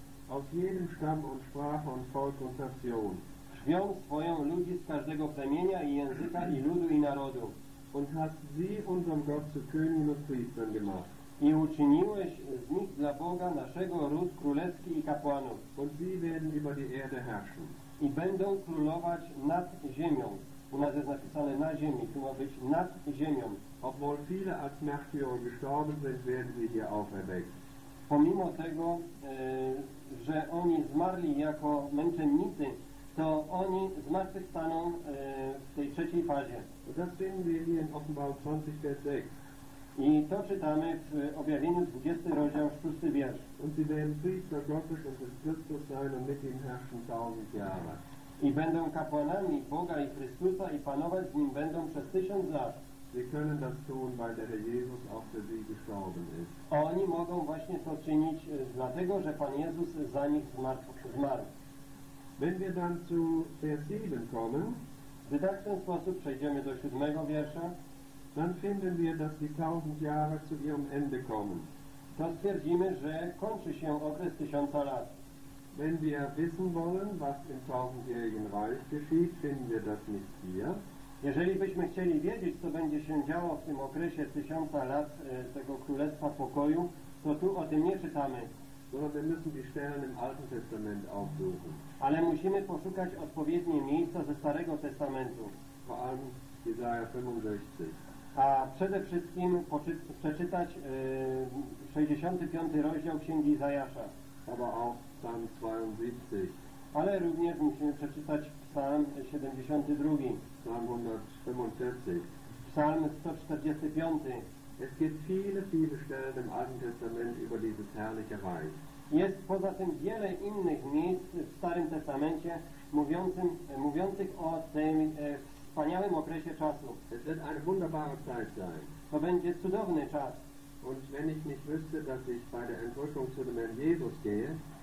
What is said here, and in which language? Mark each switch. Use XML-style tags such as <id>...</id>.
<de>aus jedem Stamm und Sprache und Volk und Nation.</de> <pl>Krwią swoją ludzi z każdego plemienia i języka i ludu i narodu.</pl> <de>Und hast sie unserem Gott zu Königen und Priestern gemacht.</de> <pl>I uczyniłeś z nich dla Boga naszego ród królewski i kapłanów.</pl> <de>Und sie werden über die Erde herrschen.</de> <pl>I będą królować nad ziemią. U nas jest napisane na ziemi, tu ma być nad ziemią.</pl> <de>Obwohl viele als Märtyrer gestorben sind, werden sie hier auferweckt.</de> <pl>Pomimo tego, że oni zmarli jako męczennicy, to oni zmartwychwstaną w tej trzeciej fazie.</pl> <de>Das sehen wir hier in Offenbarung 20, Vers 6.</de> <pl>I to czytamy w objawieniu 20 rozdział 6 wiersz.</pl> <de>Und sie werden Priester Gottes und des Christus sein und mit ihm herrschen 1000 Jahre.</de> <pl>I będą kapłanami Boga i Chrystusa i panować z nim będą przez 1000 lat.</pl> <de>Sie können das tun, weil der Herr Jesus auch für sie gestorben ist.</de> <pl>Oni mogą właśnie to czynić, dlatego że Pan Jezus za nich zmarł.</pl> <de>Wenn wir dann zu Vers 7 kommen,</de> <pl>gdy tak w ten sposób przejdziemy do 7 wiersza,</pl> <de>dann finden wir, dass die 1000 Jahre zu ihrem Ende kommen.</de> <pl>To stwierdzimy, że kończy się okres 1000 lat.</pl> <de>Wenn wir wissen wollen, was im tausendjährigen Reich geschieht, finden wir das nicht hier.</de> <pl>Jeżeli byśmy chcieli wiedzieć, co będzie się działo w tym okresie 1000 lat tego Królestwa Pokoju, to tu o tym nie czytamy.</pl> <de>Sondern müssen die Stellen im Alten Testament aufsuchen.</de> <pl>Ale musimy poszukać odpowiednie miejsca ze Starego Testamentu.</pl> <de>Vor allem Jesaja 65.</de> <pl>A przede wszystkim przeczytać 65 rozdział Księgi Izajasza.</pl> <de>Aber auch Psalm 72.</de> <pl>Ale również musimy przeczytać Psalm 72.</pl> <de>Psalm 145.</de> <pl>Psalm 145.</pl> <de>Es gibt viele, viele Stellen im Alten Testament über dieses herrliche Reich.</de> <pl>Jest poza tym wiele innych miejsc w Starym Testamencie mówiących o tym wspaniałym okresie czasu.</pl> <de>Es wird eine wunderbare Zeit sein.</de> <pl>To będzie cudowny czas.</pl> <de>Und wenn ich nicht wüsste, dass ich bei der Entrückung zu dem Herrn Jesus gehe,</de>